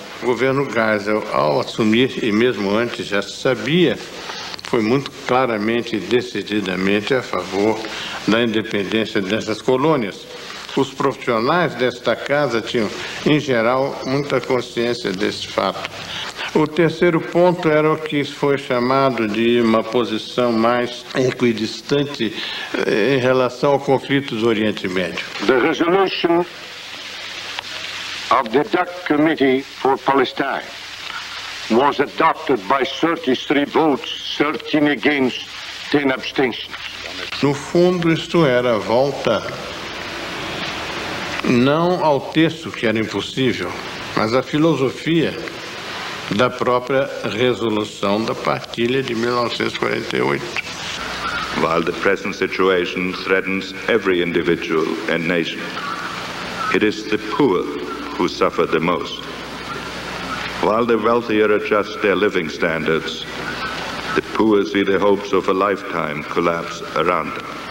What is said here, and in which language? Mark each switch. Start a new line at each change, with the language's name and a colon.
Portuguese: O governo Geisel, ao assumir, e mesmo antes já se sabia, foi muito claramente e decididamente a favor da independência dessas colônias. Os profissionais desta casa tinham, em geral, muita consciência desse fato. O terceiro ponto era o que foi chamado de uma posição mais equidistante em relação ao conflito do Oriente Médio.
English: The resolution of the Duck Committee for Palestine was adopted by 33 votes, 13 against, 10 abstentions.
Portuguese: No fundo, isto era a volta não ao texto, que era impossível, mas à filosofia da própria resolução da partilha de 1948.
English: While the present situation threatens every individual and nation, it is the poor who suffer the most. While the wealthier adjust their living standards, the poor see the hopes of a lifetime collapse around them.